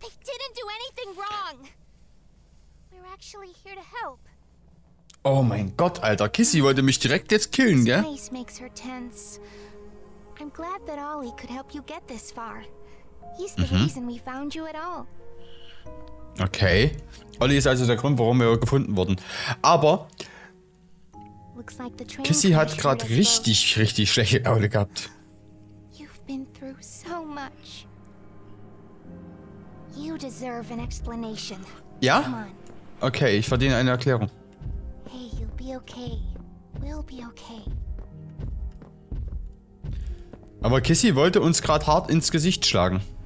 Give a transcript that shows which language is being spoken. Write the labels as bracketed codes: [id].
[en] They didn't do anything wrong. We're actually here to help. [de] Oh mein Gott, Alter, Kissy wollte mich direkt jetzt killen, gell? [en] This place makes her tense. I'm glad that Ollie could help you get this far. He's the reason we found you at all. Okay. [de] Ollie ist also der Grund, warum wir gefunden wurden. Aber Kissy hat gerade richtig, richtig schlechte Laune gehabt. [en] You've been through so much. You deserve an explanation. [de] Ja? Okay, ich verdiene eine Erklärung. [en] Okay, we'll be okay. [de] Aber Kissy wollte uns gerade hart ins Gesicht schlagen.